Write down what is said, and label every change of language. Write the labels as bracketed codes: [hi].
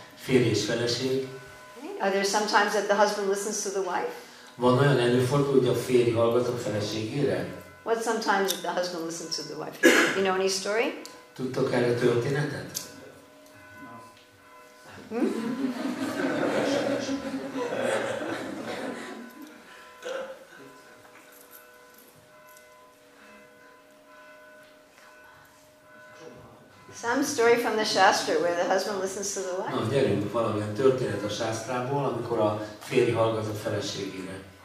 [en] Are there sometimes that the husband listens to the wife? [hu] Van olyan előfordul, hogy a férj hallgat a feleségére? [en] What sometimes the husband listens to the wife? You know any story? [hu] Tudtok erre történetet? [en] No. Some story from the Shastra where the husband listens to the wife. [hu] Na, gyerünk, valamilyen történet a Shastrából, amikor a férj hallgat a feleségére.